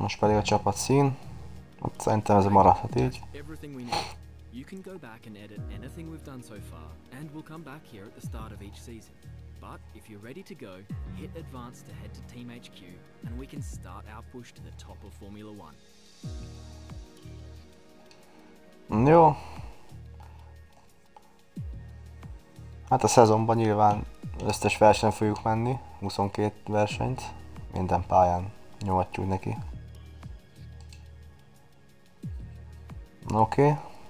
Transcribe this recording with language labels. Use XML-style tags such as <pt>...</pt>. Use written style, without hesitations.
<hu>Most pedig a csapat szín. Szerintem ez maradhat így.</hu> <en>Everything we need. You can go back and edit anything we've done so far, and we'll come back here at the start of each season. But if you're ready to go, hit advance to head to Team HQ, and we can start our push to the top of Formula 1.</en> <hu>Jó. Hát a szezonban nyilván összes versenyen fogjuk menni, 22 versenyt, minden pályán nyomatjuk neki. Oké.</hu>